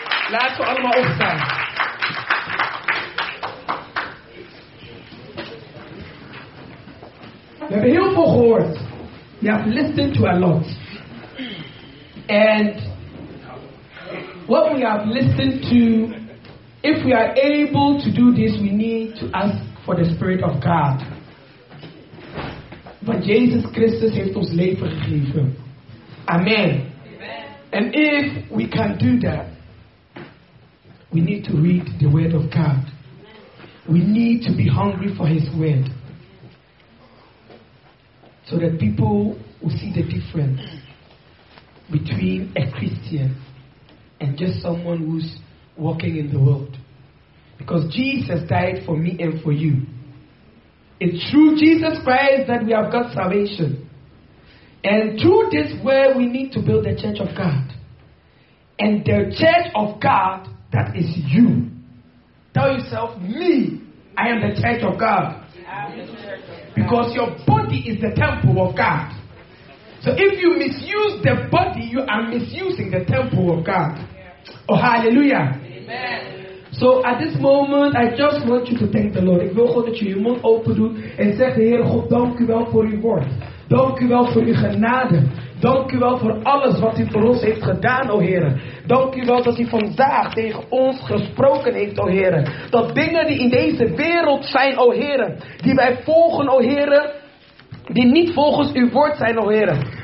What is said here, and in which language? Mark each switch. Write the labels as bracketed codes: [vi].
[nl] Laten we allemaal opstaan. We hebben heel veel gehoord. [en] We have listened to a lot. And what we have listened to, if we are able to do this, we need to ask for the Spirit of God. [nl] Want Jezus Christus heeft ons leven gegeven. Amen. [en] And if we can do that, we need to read the Word of God. We need to be hungry for His Word. So that people will see the difference between a Christian and just someone who's walking in the world. Because Jesus died for me and for you. It's through Jesus Christ that we have got salvation. And through this way we need to build the church of God. And the church of God, that is you. Tell yourself, me, I am the church of God. Because your body is the temple of God. So if you misuse the body, you are misusing the temple of God. Oh, hallelujah. Amen. So at this moment, I just want you to thank the Lord. [nl] Ik wil gewoon dat je je mond open doet en zegt, de Heer God, dank u wel voor uw woord. Dank u wel voor uw genade. Dank u wel voor alles wat u voor ons heeft gedaan, o Heer. Dank u wel dat u vandaag tegen ons gesproken heeft, o Heer. Dat dingen die in deze wereld zijn, o Heer, die wij volgen, o Heer, die niet volgens uw woord zijn, o Heer.